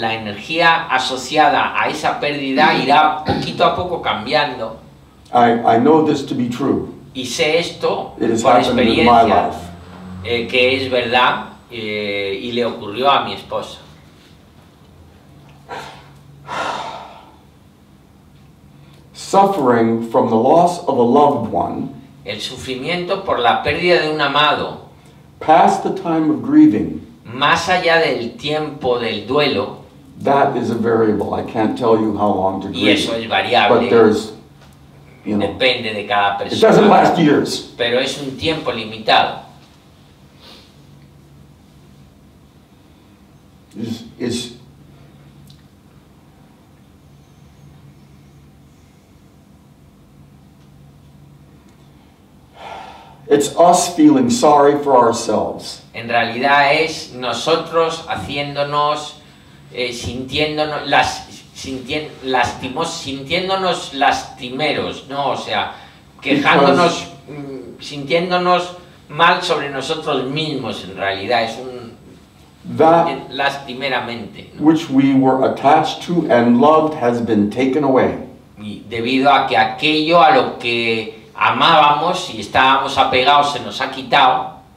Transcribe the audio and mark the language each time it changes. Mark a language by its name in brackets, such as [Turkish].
[Spanish] La energía asociada a esa pérdida irá poquito a poco cambiando. [English] I know this to be true. [Spanish] Y sé esto [English] it has [Spanish] por experiencia [English] happened in my life. [Spanish] Que es verdad y le ocurrió a mi esposa. [English] Suffering from the loss of a loved one. [Spanish] El sufrimiento por la pérdida de un amado. [English] Past the time of grieving. [Spanish] Más allá del tiempo del duelo. [English] That is a variable. I can't tell you how long to grieve. [Spanish] Y eso es variable. [English] But there's, you know, [Spanish] depende de cada persona. [English] It doesn't last years. [Spanish] Pero es un tiempo limitado. [English] Is it's us feeling sorry for ourselves. [Spanish] En realidad es nosotros haciéndonos sintiéndonos lastimeros, ¿no? O sea, quejándonos, sintiéndonos mal sobre nosotros mismos. En realidad es un lastimeramente, ¿no? [English] Which we were attached to and loved has been taken away. [Spanish] Y debido a que aquello a lo que amábamos y estábamos apegados se nos ha quitado.